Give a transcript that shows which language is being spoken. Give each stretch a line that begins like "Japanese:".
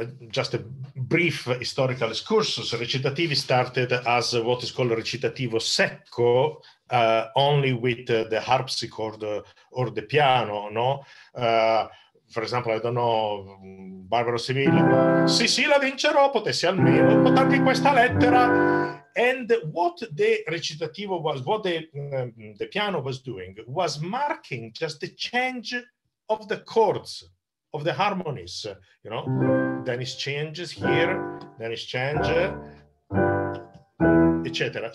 English: Just a brief historical excursus. Recitativi started as what is called recitativo secco, only with the harpsichord or the piano, no? For example, I don't know, Barbaro Sivilla.
Italian: Sì, sì, la vincerò, potessi almeno portarti questa lettera.
English: And what the recitativo was, what the piano was doing, was marking just the change of the chords, of the harmonies, you know? Then it changes here, then it changes, etc.